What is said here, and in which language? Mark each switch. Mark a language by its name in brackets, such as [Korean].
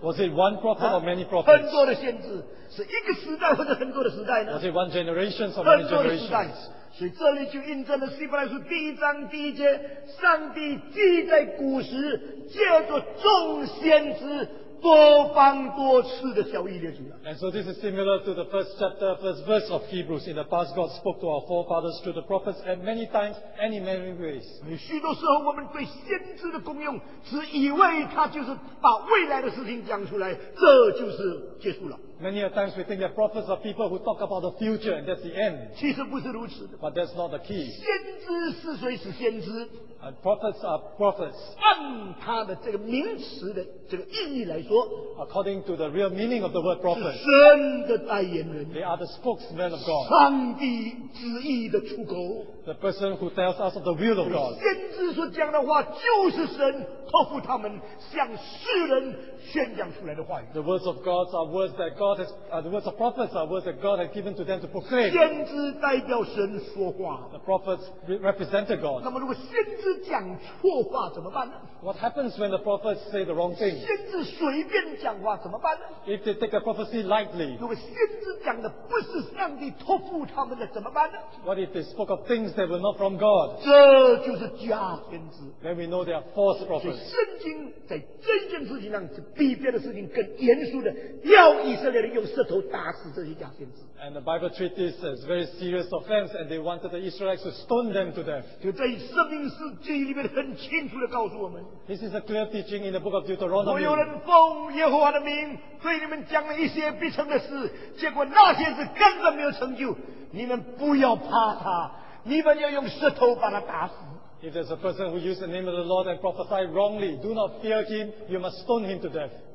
[English] ？Was it one prophet or many prophets？ [Chinese] 很多的先知是一个时代或者很多的时代呢 [English] ？Was it one generation or many generations？ [Chinese] 所以这里就印证了希伯来书第1章第1节，上帝既在古时借着众先知。多方多次的小意列举了。 [English] And so this is similar to the first chapter, first verse of Hebrews. In the past, God spoke to our forefathers through the prophets at many times and in many ways. [Chinese] 许多时候，我们对先知的功用，只以为他就是把未来的事情讲出来，这就是结束了。 [English] Many a times we think that prophets are people who talk about the future and that's the end. But that's not the key. [Chinese] 先知是谁是先知? [English] And prophets are prophets. [Chinese] 按他的这个名词的这个意义来说, [English] According to the real meaning of the word prophet, [Chinese] 是神的代言人, [English] they are the spokesmen of God. [Chinese] 上帝旨意的出口, [English] the person who tells us of the will of God. [Chinese] 先知所讲的话就是神托付他们向世人宣讲出来的话语。 [English] The words of God are words that God has, the words of prophets are words that God has given to them to proclaim. [Chinese] 先知代表神说话, [English] the prophets represented God. [Chinese] 先知讲错话怎么办呢? [English] What happens when the prophets say the wrong thing? [Chinese] 先知随便讲话怎么办呢? [English] If they take a prophecy lightly, [Chinese] 如果先知讲的不是上帝托付他们的怎么办呢? [English] What if they spoke of things that were not from God? [Chinese] 这就是假先知。 [English] Then we know they are false prophets. [Chinese] 圣经在这件事情上是比别的事情更严肃的, 要以色列人用石头打死这些假先知。 [English] And the Bible treats this as very serious offense, and they wanted the Israelites to stone them to death. [Chinese] 就在生命世纪里面很清楚地告诉我们, [English] this is a clear teaching in the book of Deuteronomy. [Chinese] 若有人奉耶和华的名对你们讲了一些必成的事, 结果那些事根本没有成就, 你们不要怕他, 你们要用石头把他打死。 [English] If there's a person who used the name of the Lord and prophesied wrongly, do not fear him, you must stone him to death.